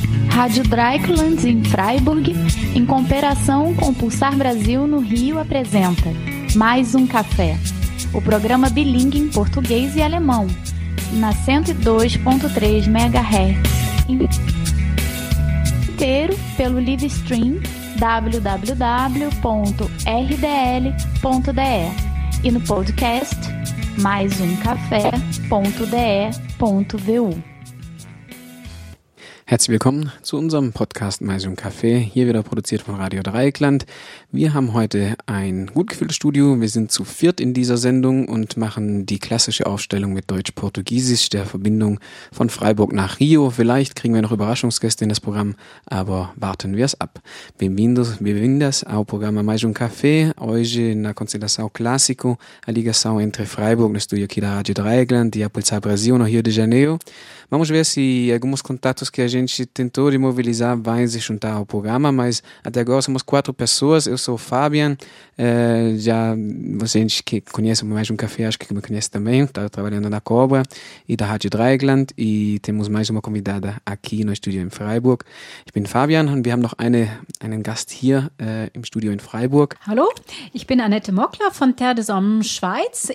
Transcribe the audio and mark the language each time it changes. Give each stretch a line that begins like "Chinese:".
Portuguese: Rádio Dreieckland em Freiburg, em cooperação com o Pulsar Brasil no Rio, apresenta Mais um Café, o programa bilíngue em português e alemão, na 102.3 MHz, inteiro pelo live stream www.rdl.de e no podcast maisumcafé.de.vu.
German: Herzlich willkommen zu unserem Podcast Maisum Café, hier wieder produziert von Radio Dreieckland. Wir haben heute ein gut gefülltes Studio. Wir sind zu viert in dieser Sendung und machen die klassische Aufstellung mit Deutsch-Portugiesisch, der Verbindung von Freiburg nach Rio. Vielleicht kriegen wir noch Überraschungsgäste in das Programm, aber warten wir es ab.
Portuguese: Bem-vindos ao programa Maisum Café. Hoje na constelação clássico, a ligação entre Freiburg, no estúdio aqui da Radio Dreieckland, e a Pulsar Brasil no Rio de Janeiro. Vamos ver se alguns contatos que a gente tentou de mobilizar vai se juntar ao programa, mas até agora somos quatro pessoas. Eu sou o Fabian, já você que conhece mais um café, acho que me conhece também, está trabalhando na Cobra e da Rádio Dreieckland, e temos mais uma convidada aqui no estúdio em Freiburg.
German: Ich bin Fabian und wir haben noch einen Gast hier im Studio in Freiburg. Hallo, ich bin Annette Mokler von Terre des Hommes Schweiz.